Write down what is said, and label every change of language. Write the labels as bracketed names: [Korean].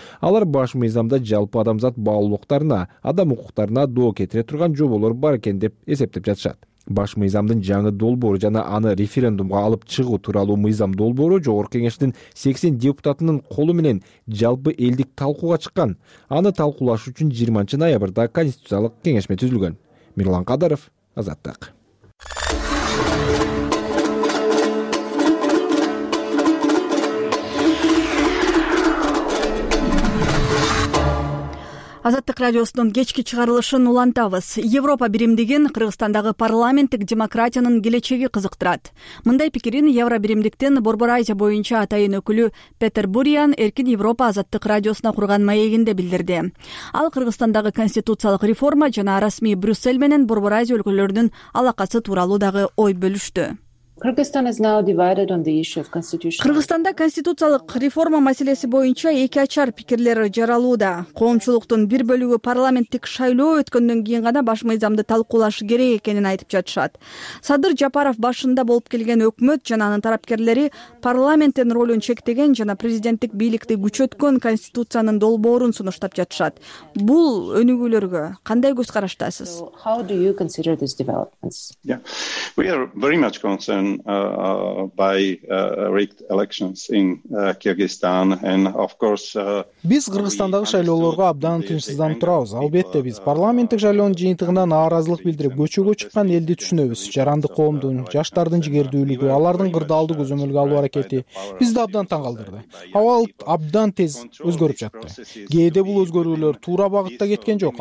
[Kyrgyz] Алар баш мыйзамда жалпы адамзат баалуулуктарына, адам укуктарына доо кетире турган жоболор бар экен деп эсептеп жатышат. Баш мыйзамдын жаңы долбоору жана аны референдумга алып чыгуу тууралуу мыйзам долбоору Жогорку Кеңештин 80 депутатынын колу менен жалпы элдик талкууга чыккан. Аны талкуулаш үчүн 20 ноябрда конституциялык кеңешме түзүлгөн. Мирлан Кадыров, Азаттык. Азаттык радиосунун кечки чыгарылышын улантабыз. Европа биримдигин Кыргызстандагы парламенттик демократиянын келечеги кызыктырат. Мындай пикирин Евро биримдиктин Борбор Азия боюнча атайын өкүлү Петер Буриан Эркин Европа Азаттык радиосуна курган маегинде билдирди. Ал Кыргызстандагы конституциялык реформа жана расмий Брюссель менен Борбор Азия өлкөлөрүнүн алакасы тууралуу дагы ой бөлүштү. [English] Kyrgyzstan is now divided on the issue of constitution. [Kyrgyz] Кыргызстанда конституциялык реформа маселеси боюнча эки ачар пикирлер жаралууда. Коомчулуктун бир бөлүгү парламенттик шайлоо өткөндөн кийин гана баш мыйзамды талкуулашы керек экенин айтып жатышат. Садыр Жапаров башында болуп келген өкмөт жана анын тарапкерлери парламенттин ролун чектеген жана президенттик бийликти күчөткөн конституциянын долбоорун сунуштап жатышат. Бул өнүгүүлөргө кандай көз караштасыз? [English] How do you consider these developments? Yeah. We are very much concerned by rigged elections in Kyrgyzstan and of course [Kyrgyz] биз Кыргызстандагы шайлоолорго абдан тынчсызданып турабыз. Албетте биз парламенттик шайлоонун жыйынтыгынан нааразылык билдирип көчөгө чыккан элди түшүнөбүз. Жарандык коомдун, жаштардын жигердүүлүгү, алардын кырдаалды көзөмөлгө алуу аракети бизди абдан таң калтырды. Абал абдан тез өзгөрүп жатты. Кээде бул өзгөрүүлөр туура багытта кеткен жок.